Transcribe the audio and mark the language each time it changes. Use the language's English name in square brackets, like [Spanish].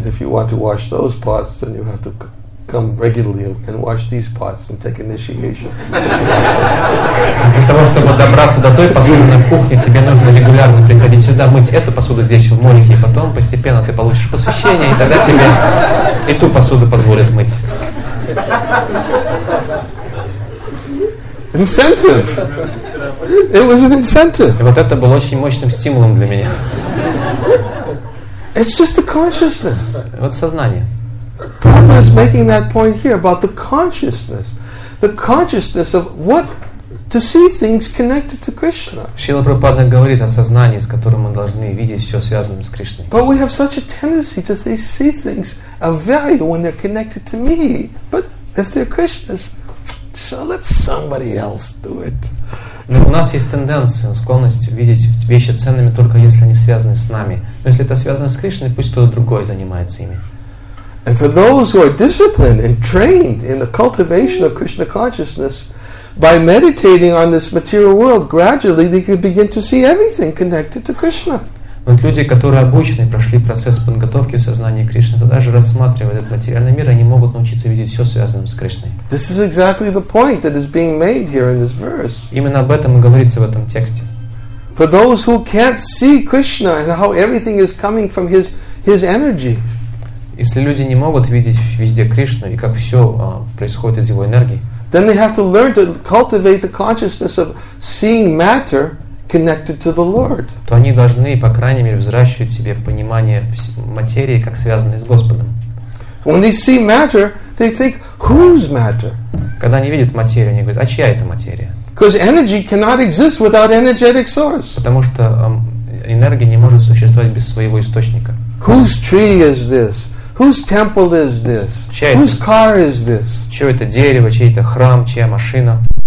[English] And if you want to wash those pots, then you have to come regularly and wash these pots and take initiation. [Russian] Для того, чтобы добраться до той посуды на кухне, тебе нужно регулярно приходить сюда, мыть эту посуду здесь в мойке, и потом постепенно ты получишь посвящение, и тогда тебе и ту посуду позволят мыть. [English] Incentive. It was an incentive. [Russian] И вот это было очень мощным стимулом для меня. [English] It's just the consciousness. [Russian] Вот сознание. [English] Prabhupada is making that point here about the consciousness of what to see things connected to Krishna. [Russian] Шрила Прабхупада говорит о сознании, с которым мы должны видеть все связанное с Кришной. [English] But we have such a tendency to see things of value when they're connected to me. But if they're Krishna's, so let somebody else do it. [Russian] Но у нас есть тенденция, склонность видеть вещи ценными только если они связаны с нами. Но если это связано с Кришной, пусть кто-то другой занимается ими. [English] And for those who are disciplined and trained in the cultivation of Krishna consciousness, by meditating on this material world, gradually they can begin to see everything connected to Krishna. [Russian] Вот люди, которые обучены, прошли процесс подготовки сознания Кришны, то даже рассматривая этот материальный мир, они могут научиться видеть все связанное с Кришной. [English] This is exactly the point that is being made here in this verse. [Russian] Именно об этом и говорится в этом тексте. [English] For those who can't see Krishna and how everything is coming from his energy. [Russian] Если люди не могут видеть везде Кришну и как все происходит из его энергии, [English] then they have to learn to cultivate the consciousness of seeing matter connected to the Lord. [Russian] То они должны, по крайней мере, взращивать в себе понимание материи, как связанной с Господом. [English] When they see matter, they think, whose matter? [Russian] Когда они видят материю, они говорят, а чья это материя? [English] Because energy cannot exist without energetic source. [Russian] Потому что энергия не может существовать без своего источника. [English] Whose tree is this? Whose temple is this? Whose car is this? [Russian] Чье это дерево, чей это храм, чья машина?